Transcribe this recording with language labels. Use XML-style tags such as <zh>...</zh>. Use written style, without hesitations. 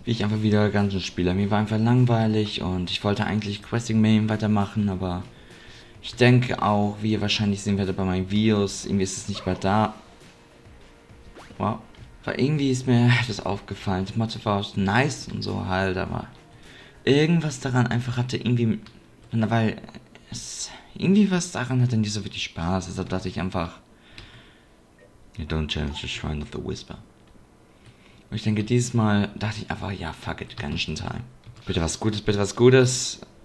<de>Wie ich einfach wieder Gungeon spiele. Mir war einfach langweilig und ich wollte eigentlich Questing Main weitermachen, aber ich denke auch, wie ihr wahrscheinlich sehen werdet bei meinen Videos, irgendwie ist es nicht mehr da. Wow. Weil irgendwie ist mir das aufgefallen. Das Motto war nice und so halt, aber irgendwas daran einfach hatte irgendwie. Weil es. Irgendwie was daran hatte nicht so wirklich Spaß. Also dachte ich einfach.</de> <en>You don't challenge the Shrine of the Whisper.</en> <de>Und ich denke, diesmal dachte ich einfach, ja,</de> <en>fuck it,</en> <de>Gungeon Time. Bitte was Gutes, bitte was Gutes.</de>